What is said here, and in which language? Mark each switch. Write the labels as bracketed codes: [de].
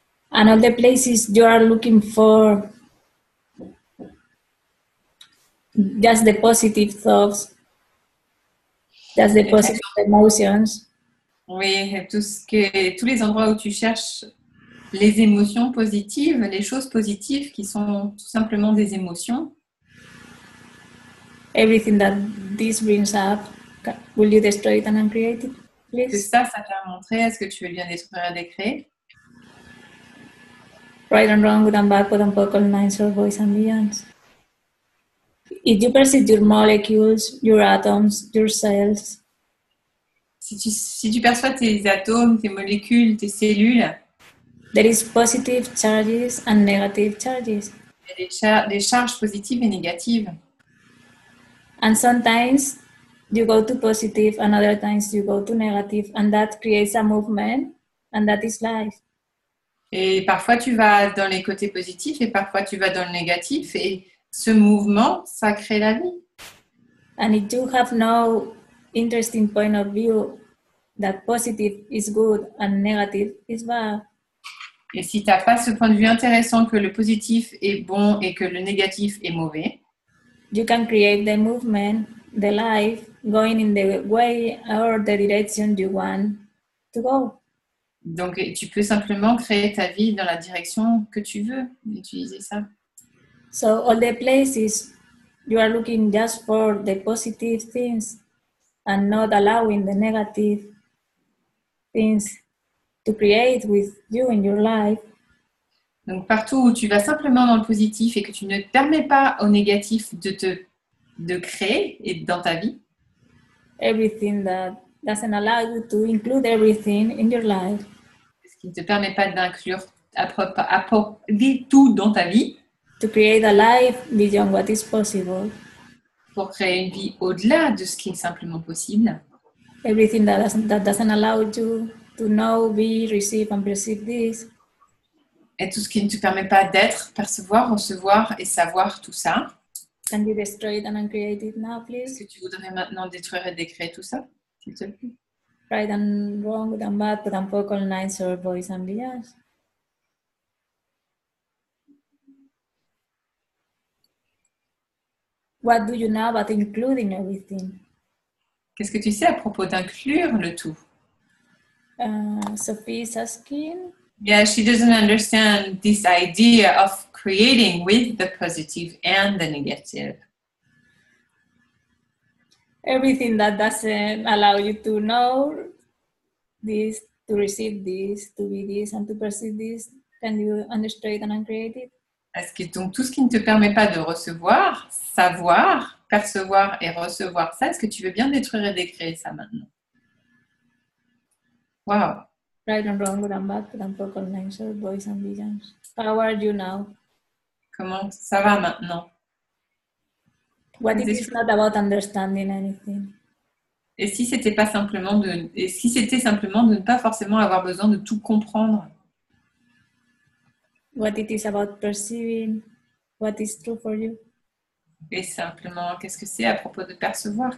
[en] And all the places you are looking for, just the positive thoughts. That's the positive emotions. [fr] Oui, tous les endroits où tu cherches les émotions positives, les choses positives qui sont tout simplement des émotions. [en] Everything that this brings up, will you destroy it and uncreate it? Please. [fr] Que ça t'a montré, est-ce que tu veux bien détruire et décréer? [en] Right and wrong, good and bad, good and poker, nice, or voice and beyond. If you perceive your molecules, your atoms, your cells. [fr] Si tu perçois tes atomes, tes molécules, tes cellules. [en] There is positive charges and negative charges. [fr] Il y a des charges positives et négatives. [en] And sometimes you go to positive and other times you go to negative and that creates a movement and that is life. [fr] Et parfois tu vas dans les côtés positifs et parfois tu vas dans le négatif et ce mouvement, ça crée la vie. [en] And if you have no interesting point of view that positive is good and negative is bad. [fr] Et si tu n'as pas ce point de vue intéressant que le positif est bon et que le négatif est mauvais, [en] you can create the movement, the life, going in the way or the direction you want to go. [fr] Donc, tu peux simplement créer ta vie dans la direction que tu veux, utiliser ça. [en] So, all the places you are looking just for the positive things and not allowing the negative things to create with you in your life. [fr] Donc partout où tu vas simplement dans le positif et que tu ne permets pas au négatif de créer et dans ta vie. [en] Everything that doesn't allow you to include everything in your life. [fr] Ce qui ne te permet pas d'inclure à propos tout dans ta vie. [en] To create a life beyond what is possible. [fr] Pour créer une vie au-delà de ce qui est simplement possible. [en] Everything that doesn't allow you to know, be, receive and perceive this. [fr] Et tout ce qui ne te permet pas d'être, percevoir, recevoir et savoir tout ça. [en] Can be destroyed and uncreated now, please. [fr] Est-ce que tu voudrais maintenant détruire et décréer tout ça, s'il te plaît? [en] Right and wrong, good and bad, but unpack all nights or voice and beyond. What do you know about including everything? [fr] Qu'est-ce que tu sais à propos d'inclure le tout? [en] Sophie is asking. Yeah, she doesn't understand this idea of creating with the positive and the negative. Everything that doesn't allow you to know this, to receive this, to be this, and to perceive this, can you understand and uncreate it? [fr] Est-ce que donc tout ce qui ne te permet pas de recevoir, savoir, percevoir et recevoir ça, est-ce que tu veux bien détruire et décréer ça maintenant? [en] Wow. Right and wrong, good and bad, but I'm focal names or boys and villains. How are you now? [fr] Comment ça va maintenant? [en] What if it's not about understanding anything? [fr] Et si c'était pas simplement de, et si c'était simplement de ne pas forcément avoir besoin de tout comprendre? [en] What it is about perceiving what is true for you? [fr] Et simplement, qu'est-ce que c'est à propos de percevoir?